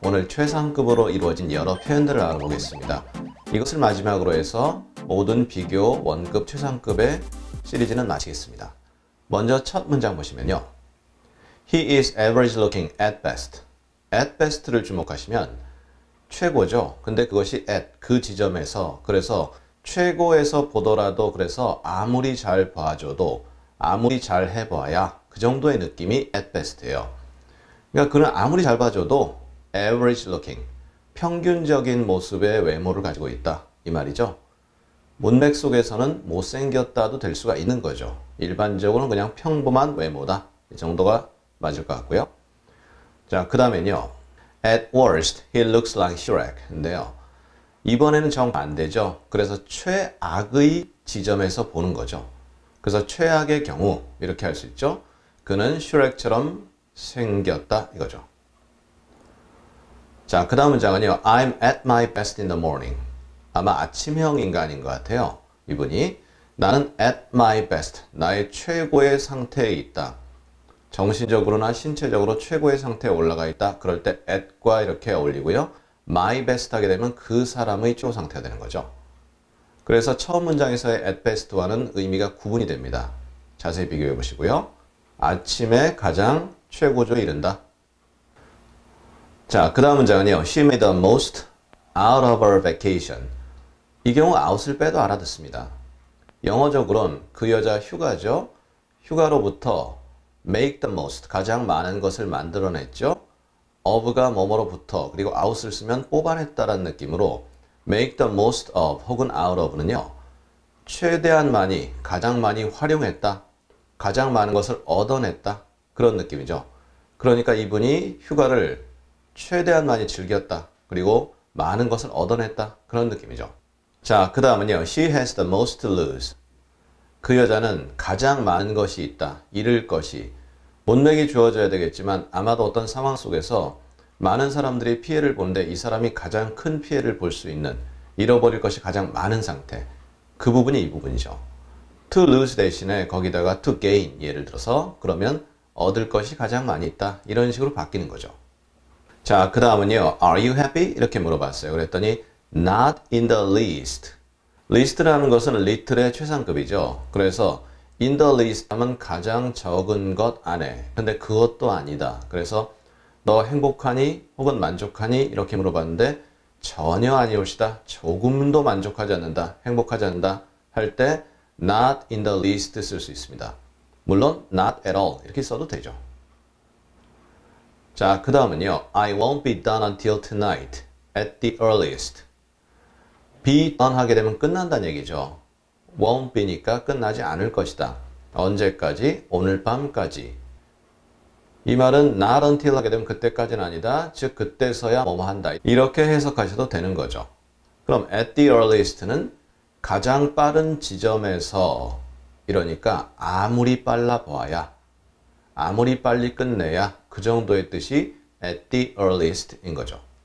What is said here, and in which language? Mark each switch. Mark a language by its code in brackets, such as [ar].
[ko] 오늘 최상급으로 이루어진 여러 표현들을 알아보겠습니다. 이것을 마지막으로 해서 모든 비교, 원급, 최상급의 시리즈는 마치겠습니다. 먼저 첫 문장 보시면요. [en] He is average looking at best. [ko] At best를 주목하시면 최고죠. 근데 그것이 at, 그 지점에서, 그래서 최고에서 보더라도, 그래서 아무리 잘 봐줘도, 아무리 잘 해봐야 그 정도의 느낌이 at best예요. 그러니까 그는 아무리 잘 봐줘도 average looking, 평균적인 모습의 외모를 가지고 있다, 이 말이죠. 문맥 속에서는 못생겼다도 될 수가 있는 거죠. 일반적으로는 그냥 평범한 외모다, 이 정도가 맞을 것 같고요. 자, 그 다음에는요. [en] At worst, he looks like Shrek. [ko] 인데요. 이번에는 정반대죠. 그래서 최악의 지점에서 보는 거죠. 그래서 최악의 경우, 이렇게 할 수 있죠. 그는 Shrek처럼 생겼다, 이거죠. 자, 그 다음 문장은요. [en] I'm at my best in the morning. [ko] 아마 아침형 인간인 것 같아요. 이분이. 나는 [en] at my best. [ko] 나의 최고의 상태에 있다. 정신적으로나 신체적으로 최고의 상태에 올라가 있다. 그럴 때 at과 이렇게 어울리고요. my best 하게 되면 그 사람의 최고 상태가 되는 거죠. 그래서 처음 문장에서의 at best와는 의미가 구분이 됩니다. 자세히 비교해 보시고요. 아침에 가장 최고조에 이른다. 자, 그 다음 문장은요. [en] She made the most out of her vacation. [ko] 이 경우 out을 빼도 알아듣습니다. 영어적으론 그 여자 휴가죠. 휴가로부터 make the most, 가장 많은 것을 만들어냈죠. of가 뭐뭐로부터, 그리고 out을 쓰면 뽑아냈다라는 느낌으로 make the most of 혹은 out of는요. 최대한 많이, 가장 많이 활용했다. 가장 많은 것을 얻어냈다. 그런 느낌이죠. 그러니까 이분이 휴가를 최대한 많이 즐겼다. 그리고 많은 것을 얻어냈다. 그런 느낌이죠. 자, 그 다음은요. [en] She has the most to lose. [ko] 그 여자는 가장 많은 것이 있다. 잃을 것이. 문맥이 주어져야 되겠지만 아마도 어떤 상황 속에서 많은 사람들이 피해를 보는데 이 사람이 가장 큰 피해를 볼 수 있는, 잃어버릴 것이 가장 많은 상태. 그 부분이 이 부분이죠. to lose 대신에 거기다가 to gain 예를 들어서 그러면 얻을 것이 가장 많이 있다. 이런 식으로 바뀌는 거죠. 자, 그 다음은요. [en] Are you happy? [ko] 이렇게 물어봤어요. 그랬더니 [en] not in the least. [ko] least라는 것은 little의 최상급이죠. 그래서 in the least 하면 가장 적은 것 안에. 근데 그것도 아니다. 그래서 너 행복하니? 혹은 만족하니? 이렇게 물어봤는데 전혀 아니옵시다. 조금도 만족하지 않는다. 행복하지 않는다. 할 때 not in the least 쓸 수 있습니다. 물론 not at all 이렇게 써도 되죠. 자, 그 다음은요. [en] I won't be done until tonight at the earliest. [ko] be done 하게 되면 끝난다는 얘기죠. won't be니까 끝나지 않을 것이다. 언제까지? 오늘 밤까지. 이 말은 not until 하게 되면 그때까지는 아니다. 즉 그때서야 뭐뭐 한다. 이렇게 해석하셔도 되는 거죠. 그럼 at the earliest는 가장 빠른 지점에서, 이러니까 아무리 빨라 보아야, 아무리 빨리 끝내야, 그 정도의 뜻이 at the earliest 인 거죠.